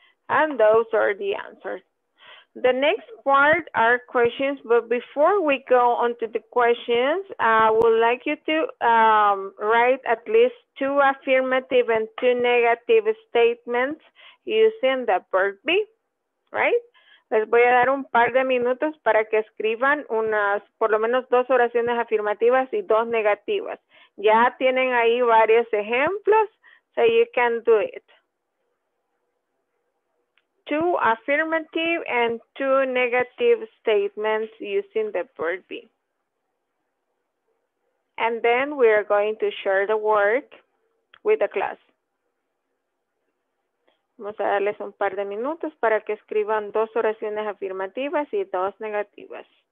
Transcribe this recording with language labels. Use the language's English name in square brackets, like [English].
[English] And those are the answers. The next part are questions, but before we go on to the questions, I would like you to write at least two affirmative and two negative statements using the verb be, right? [Spanish] Les voy a dar un par de minutos para que escriban unas, por lo menos dos oraciones afirmativas y dos negativas. Ya tienen ahí varios ejemplos, [English] so you can do it. Two affirmative and two negative statements using the verb be. And then we are going to share the work with the class. [Spanish] Vamos a darles un par de minutos para que escriban dos oraciones afirmativas y dos negativas.